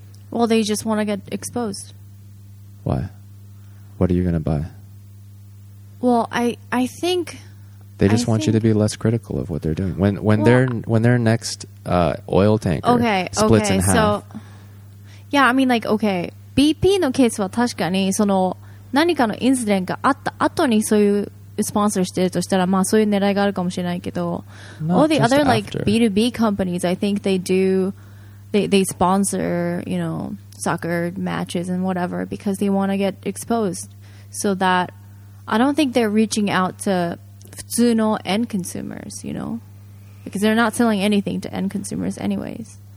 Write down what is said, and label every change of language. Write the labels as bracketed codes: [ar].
[en] Well, they just want to get exposed. Why? What are you going to buy? Well, I think... They just want you to be less critical of what they're doing. When their next oil tanker splits in half. So, yeah, I mean, like, okay. [ja] BP のケースは確かにその何かのインシデントがあった後にそういうスポンサーしてるとしたら、まあそういう狙いがあるかもしれないけど、 [en] not all the other、 after. Like B2B companies, I think they do, they sponsor, you know, soccer matches and whatever because they want to get exposed. So that, I don't think they're reaching out to [ja] 普通の [en] end consumers, you know, because they're not selling anything to end consumers anyways.